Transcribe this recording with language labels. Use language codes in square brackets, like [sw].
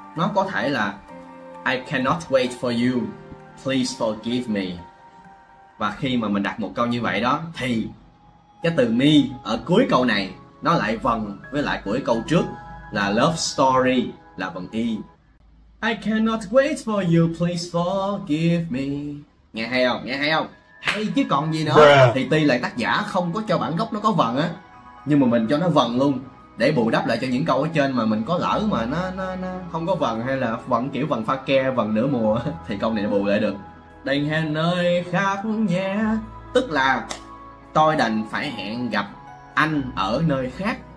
[vi] Nó có thể là [en] I cannot wait for you, please forgive me. [vi] Và khi mà mình đặt một câu như vậy đó thì cái từ me ở cuối câu này nó lại vần với lại cuối câu trước là love story, là vần y. [en] I cannot wait for you, please forgive me. [vi] Nghe hay không? Nghe hay không? Hay chứ còn gì nữa. Thì tuy là tác giả không có cho bản gốc nó có vần á, nhưng mà mình cho nó vần luôn để bù đắp lại cho những câu ở trên mà mình có lỡ mà nó không có vần, hay là vần kiểu vần pha ke, vần nửa mùa thì câu này nó bù lại được. Đành hẹn nơi khác nhé, tức là tôi đành phải hẹn gặp anh ở nơi khác.